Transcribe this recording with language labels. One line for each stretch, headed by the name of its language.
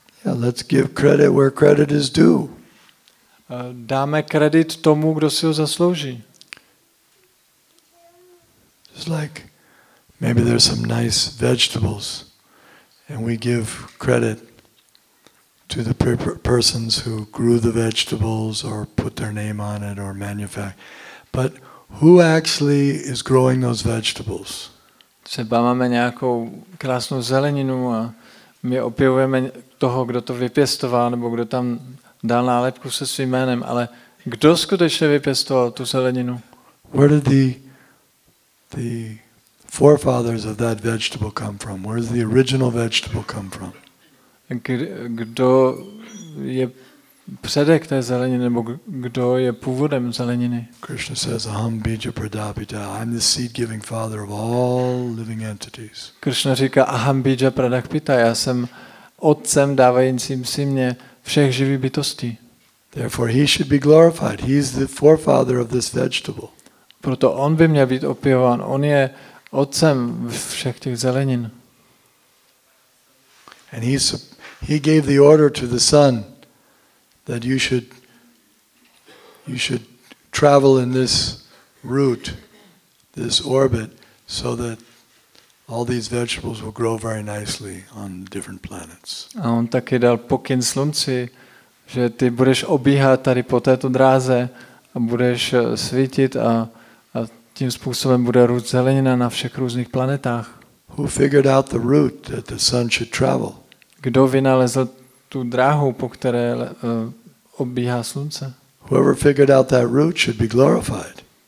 English: Yeah, let's give credit where credit is due.
Czech: Dáme kredit tomu, kdo si ho zaslouží.
English: It's like maybe there's some nice vegetables and we give credit to the persons who grew the vegetables or put their name on it or manufacture. But who actually is growing those vegetables?
Czech: Třeba máme nějakou krásnou zeleninu a my opěvujeme toho, kdo to vypěstoval nebo kdo tam dal nálepku se svým jménem, ale kdo skutečně vypěstoval tu zeleninu?
English: Where did the forefathers of that vegetable come from? Where does the original vegetable come from?
Czech: Kdo je předek té zeleniny, nebo kdo je původem zeleniny?
English: Krishna says,
Sanskrit: Aham Bija Pradapita.
English: I'm the seed-giving father of all living entities.
Czech: Krishna říká,
Sanskrit: Aham Bija Pradapita.
Czech: Já jsem otcem dávajícím si mě všech živých bytostí.
English: Therefore, he should be glorified. He is the forefather of this vegetable.
Czech: Proto on by měl být opěvován. On je otcem všech těch zelenin.
English: And he gave the order to the sun that you should travel in this route, this orbit, so that all these vegetables will grow very nicely on different planets.
Czech: A on taky dal pokyn slunci, že ty budeš obíhat tady po této dráze a budeš svítit a tím způsobem bude růst zelenina na všech různých planetách.
English: Who figured out the route that the sun should travel?
Czech: Kdo vynalezl tu dráhu, po které obíhá slunce?
English: Whoever figured out that route should be glorified.